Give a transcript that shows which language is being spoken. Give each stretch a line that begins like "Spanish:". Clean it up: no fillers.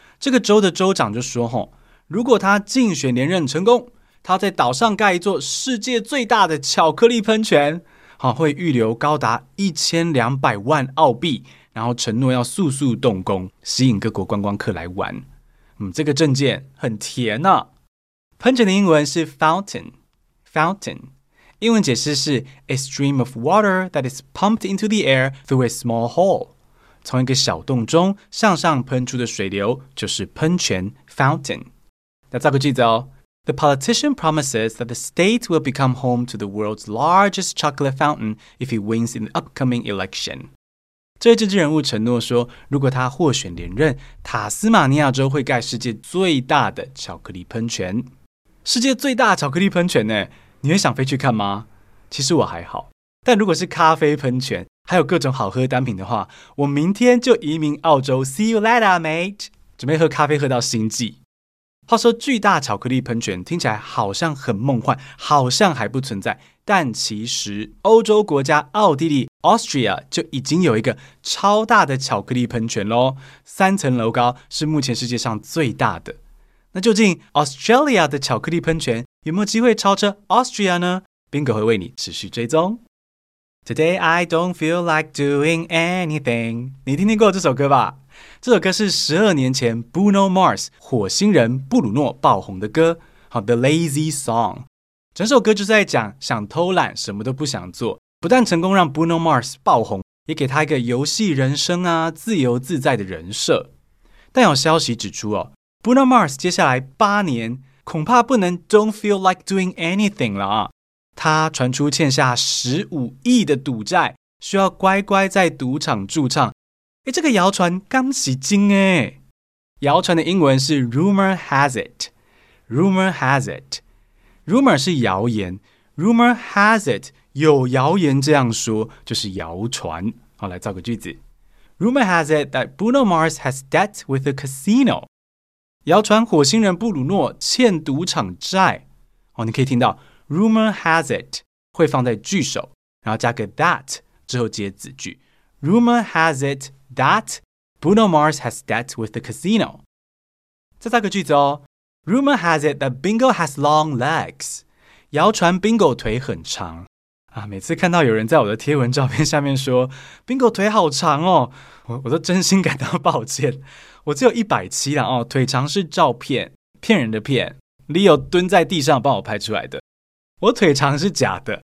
Chinese: 这个州的州长就说，如果他竞选连任成功，他在岛上盖一座世界最大的巧克力喷泉，会预留高达1200万澳币，然后承诺要速速动工，吸引各国观光客来玩。这个政见很甜啊。喷泉的英文是 fountain。
English: 英文解释是 A stream of water that is pumped into the air through a small hole，
Chinese: 从一个小洞中向上喷出的水流就是喷泉
English: fountain。
Chinese: 那造个句子哦，
English: The politician promises that the state will become home to the world's largest chocolate fountain if he wins in the upcoming election。
Chinese: 这位政治人物承诺说，如果他获选连任，塔斯马尼亚州会盖世界最大的巧克力喷泉。世界最大巧克力喷泉呢，你会想飞去看吗？其实我还好，但如果是咖啡喷泉还有各种好喝单品的话，我明天就移民澳洲。
English: See you later mate，
Chinese: 准备喝咖啡喝到星际。话说巨大巧克力喷泉听起来好像很梦幻，好像还不存在，但其实欧洲国家奥地利 Austria 就已经有一个超大的巧克力喷泉咯，三层楼高，是目前世界上最大的。那究竟 Australia 的巧克力喷泉有没有机会超车 Austria 呢？ Bingo 会为你持续追踪。
English: Today I don't feel like doing anything，
Chinese: 你听听过这首歌吧？这首歌是12年前 Bruno Mars 火星人布鲁诺爆红的歌，好 The Lazy Song。整首歌就在讲想偷懒什么都不想做，不但成功让 Bruno Mars 爆红，也给他一个游戏人生啊，自由自在的人设。但有消息指出哦， Bruno Mars 接下来8年恐怕不能
English: don't feel like doing anything
Chinese: 了啊！他传出欠下15亿的赌债，需要乖乖在赌场驻唱。诶，这个谣传刚洗精诶。谣传的英文是 rumor has it， rumor has it， rumor 是谣言， rumor has it 有谣言这样说，就是谣传。好，来造个句子，
English: rumor has it that Bruno Mars has debt with a casino。
Chinese: 谣传火星人布鲁诺欠赌场债哦，你可以听到 rumor has it 会放在句首，然后加个 that 之后接子句， rumor has it that
English: Bruno Mars has debt with the casino.
Chinese: 再造个句子哦。
English: Rumor has it that Bingo has long legs.
Chinese: 谣传 Bingo 腿很长。啊，每次看到有人在我的贴文照片下面说 Bingo 腿好长哦， 我都真心感到抱歉。我只有170啦哦，腿长是照片，骗人的骗。 Leo 蹲在地上帮我拍出来的。我腿长是假的。